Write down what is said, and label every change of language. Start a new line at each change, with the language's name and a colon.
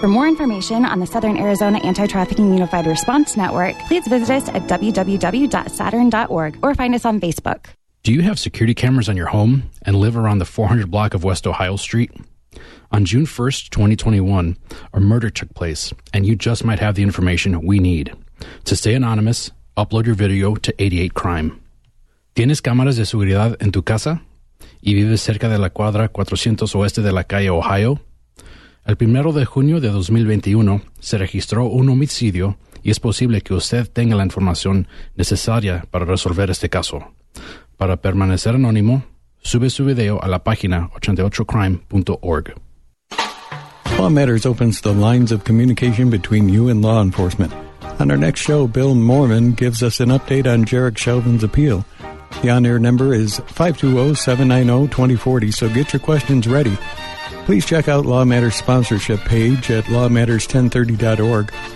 English: For more information on the Southern Arizona Anti-Trafficking Unified Response Network, please visit us at www.saturn.org or find us on Facebook. Do you have security cameras on your home and live around the 400 block of West Ohio Street? On June 1st, 2021, a murder took place, and you just might have the information we need. To stay anonymous, upload your video to 88 Crime.
Spanish: ¿Tienes cámaras de seguridad en tu casa y vives cerca de la cuadra 400 oeste de la calle Ohio? El 1 de junio de 2021 se registró un homicidio y es posible que usted tenga la información necesaria para resolver este caso. Para permanecer anónimo, sube su video a la página 88crime.org.
English: Law Matters opens the lines of communication between you and law enforcement. On our next show, Bill Mormon gives us an update on Jerrick Shelvin's appeal. The on-air number is 520-790-2040, so get your questions ready. Please check out Law Matters' sponsorship page at lawmatters1030.org.